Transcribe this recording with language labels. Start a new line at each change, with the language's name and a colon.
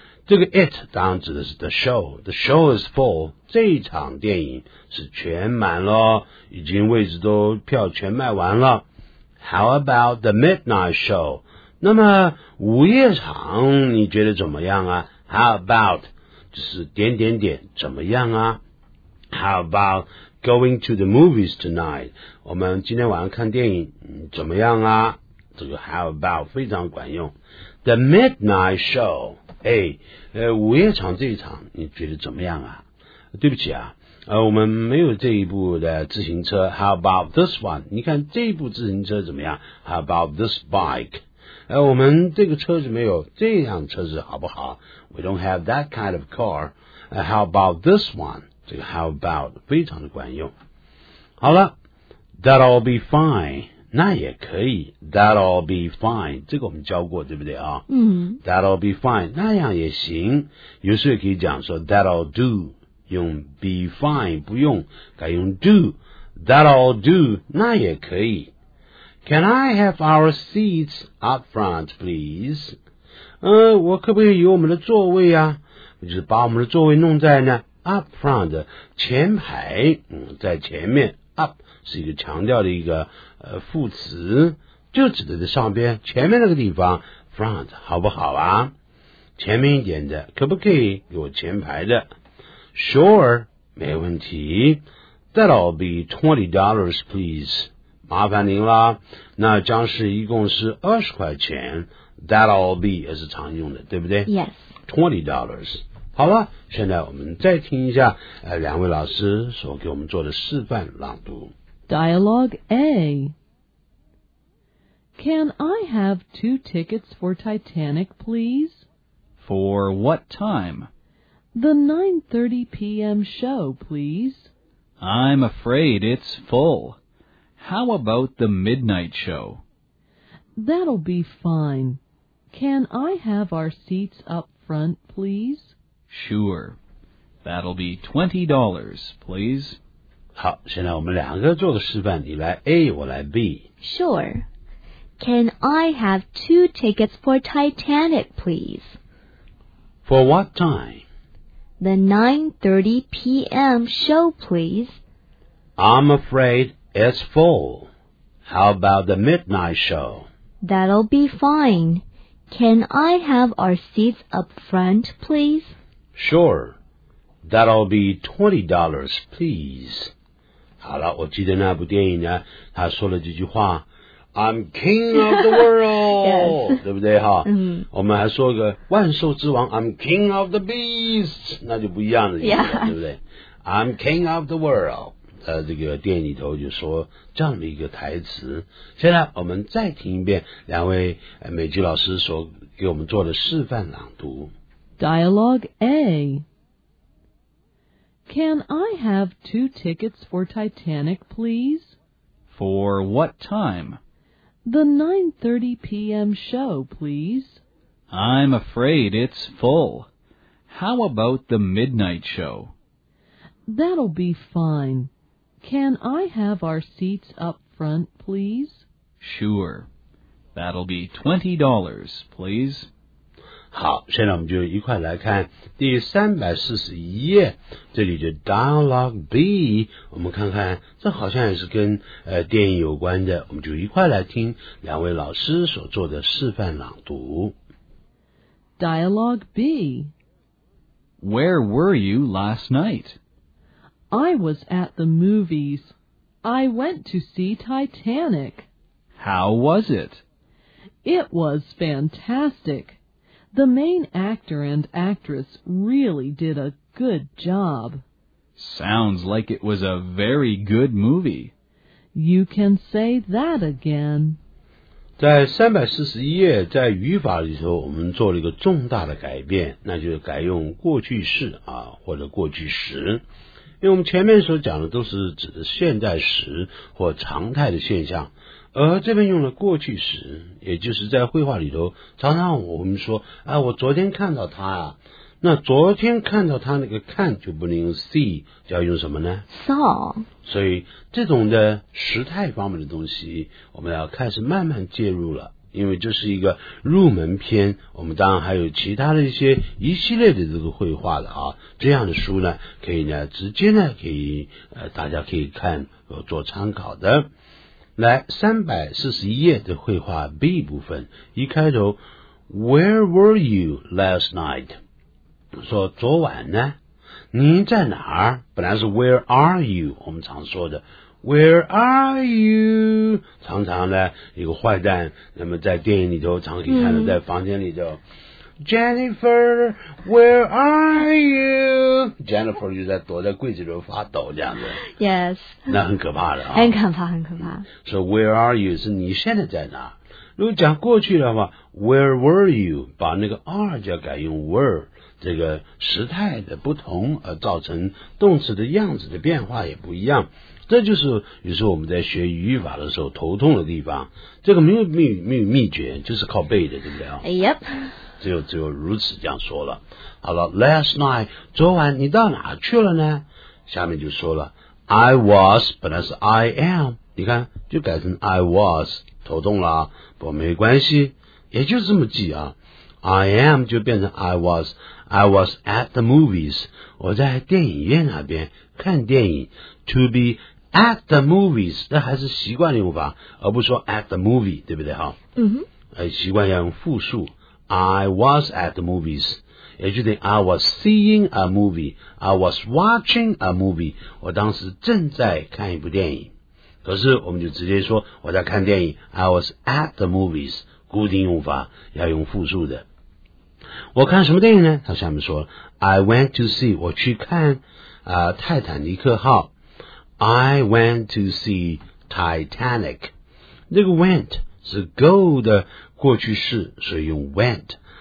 Chinese: 这个 it 当然指的是 the show，
English: the show is full，
Chinese: 这一场电影是全满咯，已经位置都票全卖完了。
English: How about the midnight show？
Chinese: 那么午夜场你觉得怎么样啊？ How about 就是点点点怎么样啊？
English: How about going to the movies tonight？
Chinese: 我们今天晚上看电影怎么样啊？这个 how about 非常管用。 The midnight show， 午夜场这一场你觉得怎么样啊？对不起啊，我们没有这一部的自行车。
English: How about this one？
Chinese: 你看这一部自行车怎么样？
English: How about this bike？
Chinese: 我们这个车子没有，这辆车子好不好？
English: We don't have that kind of car。 How about this one？
Chinese: 这个 how about 非常的管用。好了，
English: that'll be fine，
Chinese: 那也可以， that'll be fine， 这个我们教过对不对啊？嗯，
English: that'll be fine，
Chinese: 那样也行。有时候可以讲说
English: that'll do，
Chinese: 用 be fine 不用，改用 do， that'll do， 那也可以。
English: Can I have our seats up front please？
Chinese: 我可不可以有我们的座位啊？就是把我们的座位弄在呢 up front 的前排，在前面。 up 是一个强调的一个副词，就指的上边前面那个地方 front 好不好啊？前面一点的可不可以有前排的？sure 没问题。
English: that'll be $20 please，
Chinese: 麻烦您啦，那将是一共是20块钱。 that'll be 也是常用的对不对？
English: yes $20。
Chinese: 好了，现在我们再听一下两位老师所给我们做的示范朗读。
English: Dialogue A. Can I have 2 tickets for Titanic, please? For what time? The 9:30 p.m. show, please. I'm afraid it's full. How about the midnight show? That'll be fine. Can I have our seats up front, please? Sure. That'll be $20, please.
Chinese: 好，现在我们两个做个示范，你来 A， 我来 B。
English: Sure. Can I have 2 tickets for Titanic, please? For what time? The 9:30 p.m. show, please. I'm afraid it's full. How about the midnight show? That'll be fine. Can I have our seats up front, please? Sure. That'll be $20, please.
Chinese: 好了，我记得那部电影呢，他说了这句话，
English: I'm king of the world. Yes.
Chinese: 对不对哈？嗯。我们还说个万兽之王，
English: I'm king of the beasts.
Chinese: 那就不一样了。
English: Yeah.
Chinese: 对不对？
English: I'm king of the world.
Chinese: 这个电影里头就说这样的一个台词。现在我们再听一遍两位美籍老师所给我们做的示范朗读。
English: Dialogue A. Can I have 2 tickets for Titanic, please? For what time? The 9:30 p.m. show, please. I'm afraid it's full. How about the midnight show? That'll be fine. Can I have our seats up front, please? Sure. That'll be $20, please.
Chinese: 好，现在我们就一块来看第341页，这里就 Dialogue B， 我们看看这好像也是跟电影有关的，我们就一块来听两位老师所做的示范朗读。
English: Dialogue B. Where were you last night? I was at the movies. I went to see Titanic. How was it? It was fantastic. The main actor and actress really did a good job. Sounds like it was a very good movie. You can say that again.
Chinese: 在341页，在语法里头，我们做了一个重大的改变，那就是改用过去式啊，或者过去时。因为我们前面所讲的都是指的现在时或常态的现象。而这边用了过去时，也就是在绘画里头常常我们说啊，我昨天看到他啊，那昨天看到他那个看就不能用 see， 就要用什么呢？
English: saw。
Chinese: 所以这种的时态方面的东西我们要开始慢慢介入了。因为这是一个入门篇，我们当然还有其他的一些一系列的这个绘画的啊，这样的书呢，可以呢直接呢可以大家可以看做参考的。来341页的绘画 B 部分，一开头 ，
English: Where were you last night？
Chinese: 说昨晚呢，你在哪儿？
English: 本来是 Where are you？
Chinese: 我们常说的。
English: Where are you?
Chinese: 常常呢，一个坏蛋，那么在电影里头常可以看到，在房间里头、，
English: Jennifer, where are you?
Chinese: Jennifer 就在躲在柜子里发抖这样子。
English: Yes.
Chinese: 那很可怕的啊。很可怕，很可怕。
English: So where are you?
Chinese: 是你现在在哪？如果讲过去的话 ，
English: Where were you?
Chinese: 把那个 are 就要改用 were。这个时态的不同而造成动词的样子的变化也不一样，这就是有时候我们在学语法的时候头痛的地方。这个没有秘诀，就是靠背的，对不对？
English: Yep，
Chinese: 只有如此这样说了。好了 ，Last night， 昨晚你到哪去了呢？下面就说了 ，I was， 本来是 I am， 你看就改成 I was， 头痛了，不过没关系，也就这么记啊。 I am 就变成
English: I was at the movies，
Chinese: 我在电影院那边看电影。
English: To be at the movies，
Chinese: 那还是习惯用法，而不说 at the movie， 对不对？好、习惯要用复数
English: I was at the movies， 也就等于 I was seeing a movie，
Chinese: I was watching a movie， 我当时正在看一部电影。可是我们就直接说我在看电影，
English: I was at the movies
Chinese: 固定用法，要用复数的。我看什么电影呢？他下面说 ，
English: I went to see，
Chinese: 我去看啊、泰坦尼克号。
English: I went to see Titanic。
Chinese: 那个 went 是 go 的过去式，所以用 went。